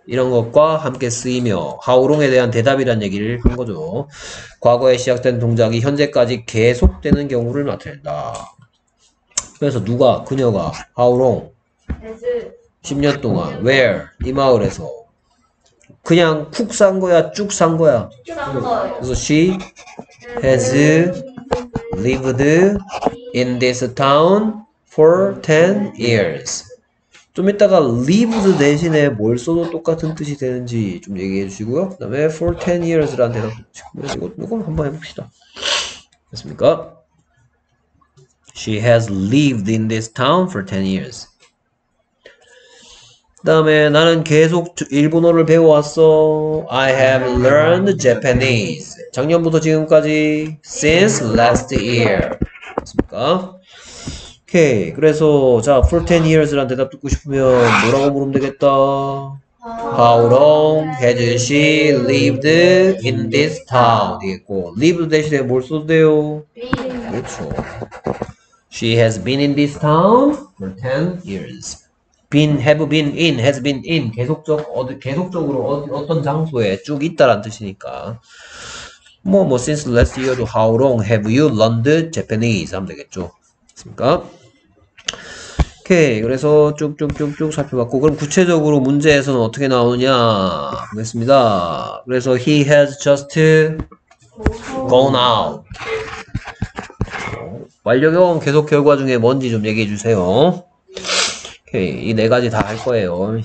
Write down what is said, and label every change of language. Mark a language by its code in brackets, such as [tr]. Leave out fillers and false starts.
[ko] 이런 것과 함께 쓰이며 하우롱에 대한 대답이란 얘기를 한 거죠. 과거에 시작된 동작이 현재까지 계속되는 경우를 나타낸다. 그래서 누가 그녀가 하우롱 10년 동안 where 이 마을에서 그냥 푹산 거야 쭉산 거야. 그래서 [en] she has lived in this town for 10 years. [ko] 좀 이따가 lived 대신에 뭘 써도 똑같은 뜻이 되는지 좀 얘기해 주시고요. 그다음에 [en] for 10 years [ko] 라는 대답 이거 한번 해봅시다. 됐습니까? [en] She has lived in this town for 10 years. [ko] 그다음에 나는 계속 일본어를 배워왔어. [en] I have learned Japanese. [ko] 작년부터 지금까지 [en] since last year. [ko] 됐습니까? 오케이 [en] okay. [ko] 그래서 자 for 10 years란 대답 듣고 싶으면 뭐라고 물으면 되겠다? [en] How long has she lived in this town? [ko] 되겠고 lived 대신에 뭘 써도 돼요? 그렇죠. [en] She has been in this town for 10 years. Been, have been in, has been in. [ko] 계속적으로 어떤 장소에 쭉 있다란 뜻이니까. [en] 뭐 since last year, how long have you learned Japanese? [ko] 하면 되겠죠. 그렇습니까? 오케이 그래서 쭉쭉쭉쭉 살펴봤고 그럼 구체적으로 문제에서는 어떻게 나오냐 보겠습니다. [en] 그래서 he has just gone out. [ko] 완료형 계속 결과 중에 뭔지 좀 얘기해 주세요. 오케이 이네 가지 다할 거예요.